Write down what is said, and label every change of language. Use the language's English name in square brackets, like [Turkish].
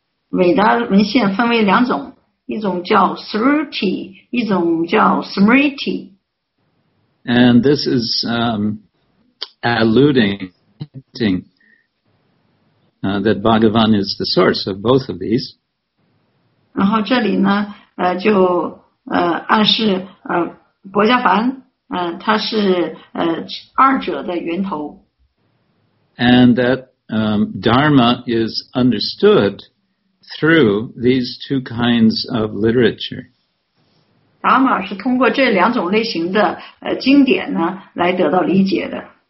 [Chinese] 伟达文献分为两种，一种叫 Shruti, 一种叫 Smriti. [English] And this is alluding that Bhagavan is the source of both of these. [Chinese] 然后这里呢，就暗示薄伽梵，它是二者的源头。 [English] And that dharma is understood through these two kinds of literature. [Chinese] Dharma 是通过这两种类型的经典呢来得到理解的。